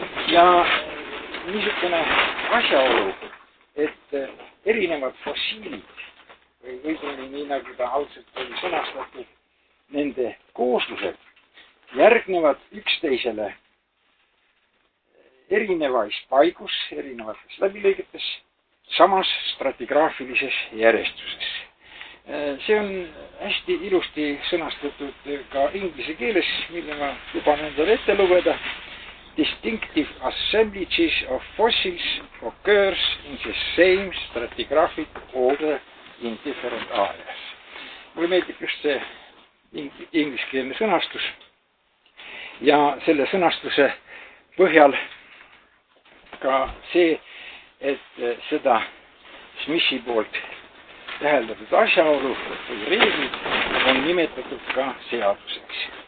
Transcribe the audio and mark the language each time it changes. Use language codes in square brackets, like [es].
[et] Ja niisugune asjaolu, et erinevad fossiilid või võib-olla nii nagu ta algselt oli sõnastatud, nende kooslused järgnevad üksteisele erinevais paigus, erinevates läbilõigetes, samas stratigraafilises järjestuses. See on hästi ilusti sõnastatud ka inglise keeles, mille ma luban endale ette lugeda. [en] Distinctive assemblages of fossils occurs in the same stratigraphic order in different areas. [et] Mulle meeldib just see ingliskeelne sõnastus ja selle sõnastuse põhjal ka see, et seda Smithi poolt täheldatud asjaolu või reeglid on nimetatud ka seaduseks.